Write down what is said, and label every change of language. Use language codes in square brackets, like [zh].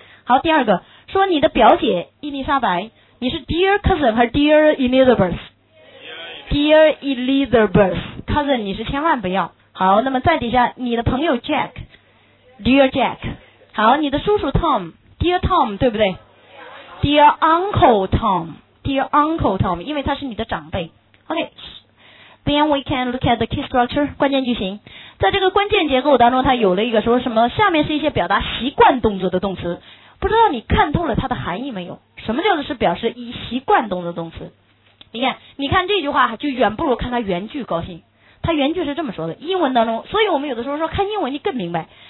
[zh] 好，第二个说你的表姐伊丽莎白，你是 dear cousin 还是 dear Elizabeth？ dear Elizabeth cousin 你是千万不要。好，那么再底下你的朋友 Jack， dear Jack。好，你的叔叔 Tom， dear Tom，对不对？ dear uncle Tom， dear uncle Tom，因为他是你的长辈。 [en] OK， then we can look at the key structure，关键句型。 [zh] 在这个关键结构当中，它有了一个说什么，下面是一些表达习惯动作的动词，不知道你看透了它的含义没有？什么叫做是表示以习惯动作动词？你看这句话就远不如看它原句高兴。它原句是这么说的，英文当中，所以我们有的时候说看英文你更明白。